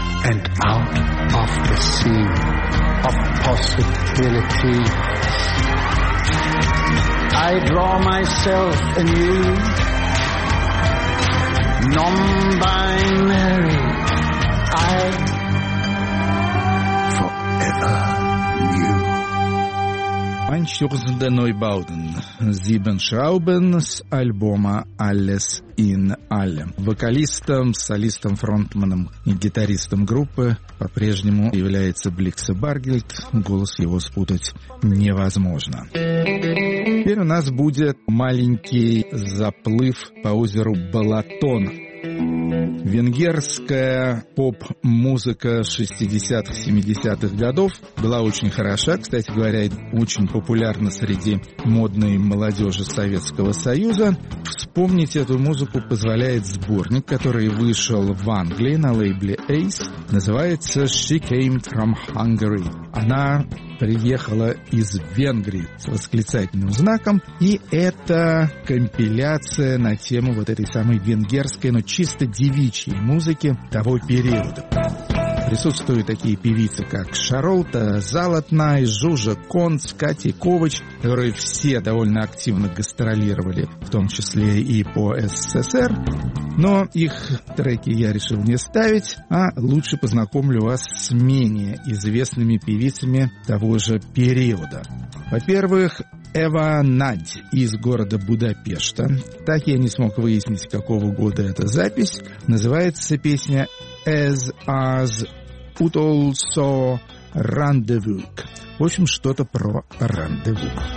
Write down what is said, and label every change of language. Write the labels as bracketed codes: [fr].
[en] And out of the sea of possibility, I draw myself anew, non-binary, I forever knew. [de] Ein Stürzender Neubauten, Sieben Schrauben с альбома «Alles in Allem». [ru] Вокалистом, солистом, фронтменом и гитаристом группы по-прежнему является Бликс Баргильд. Голос его спутать невозможно. Теперь у нас будет маленький заплыв по озеру Балатон. Венгерская поп-музыка 60-70-х годов была очень хороша, кстати говоря, очень популярна среди модной молодежи Советского Союза. Вспомнить эту музыку позволяет сборник, который вышел в Англии на лейбле Ace. Называется «She Came From Hungary». Она приехала из Венгрии с восклицательным знаком. И это компиляция на тему вот этой самой венгерской, но чисто девичьей музыки того периода. Присутствуют такие певицы, как Шарлотта, Залатнай, Жужа Конц, Кати Ковач, которые все довольно активно гастролировали, в том числе и по СССР. Но их треки я решил не ставить, а лучше познакомлю вас с менее известными певицами того же периода. Во-первых, Эва Надь из города Будапешта. Так я не смог выяснить, какого года эта запись. Называется песня «As us put also rendezvous». В общем, что-то про рандеву.